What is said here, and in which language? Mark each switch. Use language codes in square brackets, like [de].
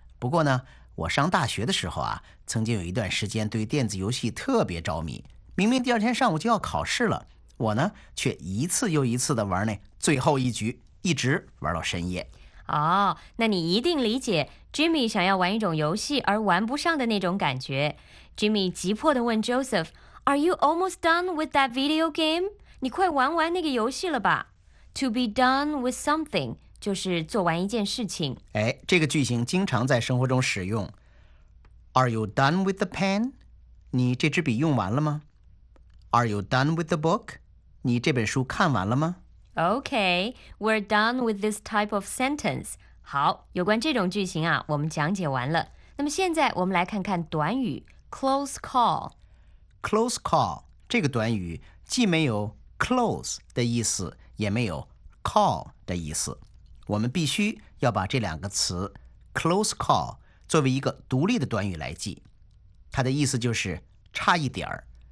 [zh] 不过呢，我上大学的时候啊，曾经有一段时间对电子游戏特别着迷，明明第二天上午就要考试了，我呢却一次又一次的玩那最后一局，一直玩到深夜。哦，那你一定理解 Jimmy 想要玩一种游戏而玩不上的那种感觉。 [en] Jimmy [zh] 急迫地问 [en] Joseph, Are you almost done with that video game? [zh] 你快玩完那个游戏了吧 ？ [en] To be done with something [zh] 就是做完一件事情。哎，这个句型经常在生活中使用。 [en] Are you done with the pen? [zh] 你这支笔用完了吗？ [en] Are you done with the book? [zh] 你这本书看完了吗 [en] ？Okay, we're done with this type of sentence. [zh] 好，有关这种句型啊，我们讲解完了。那么现在我们来看看短语 close call。 Close call 这个短语既没有 close 的意思，也没有 call 的意思。我们必须要把这两个词 close call 作为一个独立的短语来记，它的意思就是差一点儿。